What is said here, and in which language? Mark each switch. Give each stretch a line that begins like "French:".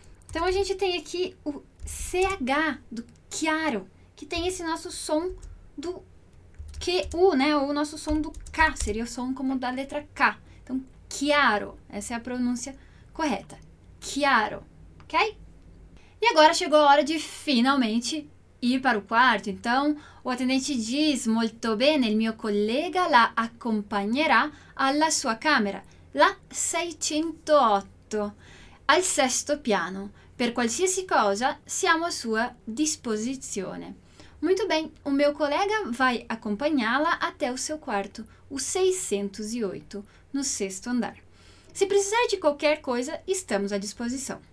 Portuguese: Então, a gente tem aqui o CH do chiaro, que tem esse nosso som do QU, né? Ou o nosso som do K, seria o som como da letra K. Então, chiaro, essa é a pronúncia correta. Chiaro, ok? E agora chegou a hora de finalmente ir para o quarto. Então, o atendente diz,
Italian: molto bene, il mio collega la accompagnerà alla sua camera, la 608, al sesto piano. Per qualsiasi cosa, siamo a sua disposizione.
Portuguese: Muito bem, o meu colega vai acompanhá-la até o seu quarto, o 608, no sexto andar. Se precisar de qualquer coisa, estamos à disposição.